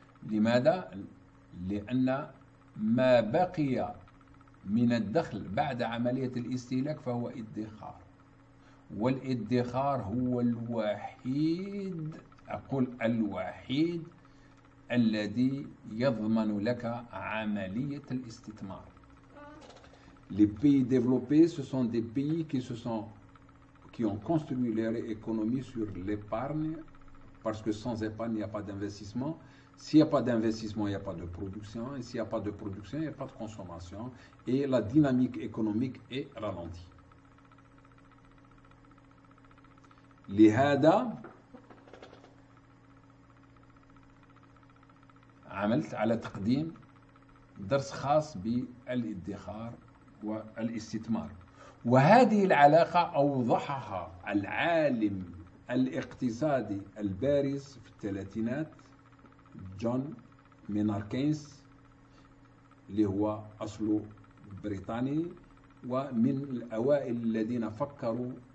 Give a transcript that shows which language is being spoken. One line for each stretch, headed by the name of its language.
Arabic: لماذا؟ لأن ما بقي من الدخل بعد عملية الاستهلاك فهو ادخار، والادخار هو الوحيد، أقول الوحيد، الذي يضمن لك عملية الاستثمار.
French: Les pays développés, ce sont des pays qui ont construit leur économie sur l'épargne, parce que sans épargne, il n'y a pas d'investissement. S'il n'y a pas d'investissement, il n'y a pas de production. Et s'il n'y a pas de production, il n'y a pas de consommation. Et la dynamique économique est ralentie.
Arabic: Les HADA, عملت على تقديم درس خاص بالادخار والاستثمار، وهذه العلاقة أوضحها العالم الاقتصادي البارز في الثلاثينات جون مينار كينز، اللي هو أصله بريطاني ومن الأوائل الذين فكروا